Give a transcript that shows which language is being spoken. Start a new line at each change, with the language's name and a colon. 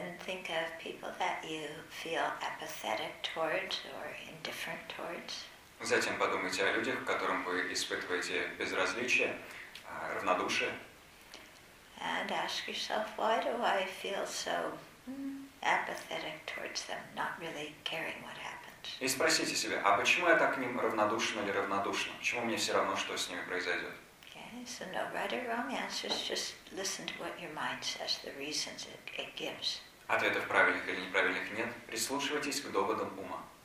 English: think of people that you feel apathetic towards or indifferent towards.
Russian: Затем подумайте о людях, к которым вы испытываете безразличие, равнодушие.
English: And ask yourself, why do I feel so apathetic towards them, not really caring what happens?
Russian: И спросите себя, а почему я так к ним равнодушен или равнодушна? Почему мне все равно, что с ними произойдет?
English: So no right or wrong answers, just listen to what your mind says, the reasons it gives.
Russian: Ответов правильных или неправильных нет. Прислушивайтесь к доводам ума.